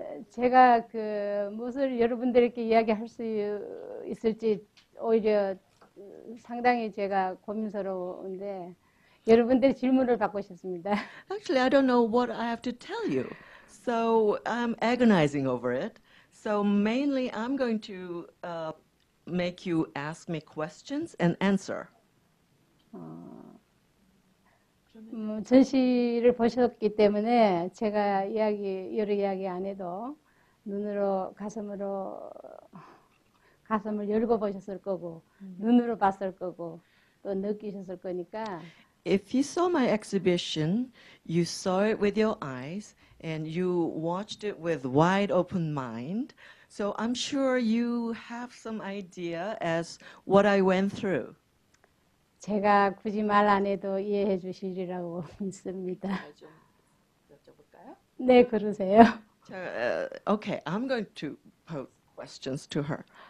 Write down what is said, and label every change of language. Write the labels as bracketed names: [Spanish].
[Korean] 제가 그 무엇을 여러분들께 이야기할 수 있을지 오히려 상당히 제가 고민스러운데 여러분들의 질문을 받고 싶습니다. [English] Actually, I don't know what I have to tell you. So I'm agonizing over it. So mainly, I'm going to make you ask me questions and answer. [Korean] 전시를 보셨기 때문에 제가 이야기, 여러 이야기 안 해도 눈으로 가슴으로 가슴을 열고 보셨을 거고 눈으로 봤을 거고 또 느끼셨을 거니까 [English] If you saw my exhibition, you saw it with your eyes, and you watched it with wide open mind, so I'm sure you have some idea as what I went through. [Korean] 제가 굳이 말안 해도 이해해 주시리라고 믿습니다. 제가 좀 여쭤볼까요? 네, 그러세요. [English] okay, I'm going to pose questions to her.